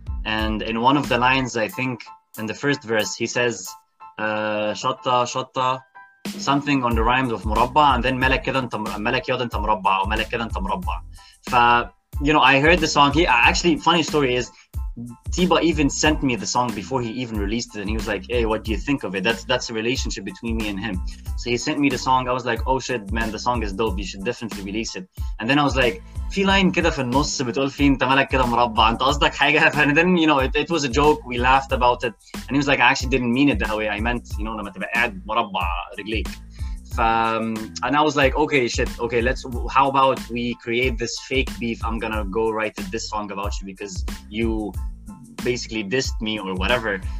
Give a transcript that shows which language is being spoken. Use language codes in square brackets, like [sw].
[en] And in one of the lines, I think in the first verse, he says, Shatta, something on the rhymes of Murabba, and then Malak Yod Anta Murabba, or Malak Yod Anta Murabba. You know, I heard the song. Actually, funny story is, Tiba even sent me the song before he even released it, and he was like, hey, what do you think of it? That's a relationship between me and him. So he sent me the song. I was like, oh shit, man, the song is dope. You should definitely release it. And then I was like, [ar] في لين كده في النص بتقول فيه انت ملك كده مربع انت قصدك حاجة. [en] And then, you know, it was a joke. We laughed about it. And he was like, I actually didn't mean it that way. I meant, you know, [ar] لما تبقى قاعد مربع رجليك. [en] And I was like, okay, shit, okay, how about we create this fake beef? I'm gonna go write this song about you because you basically dissed me or whatever.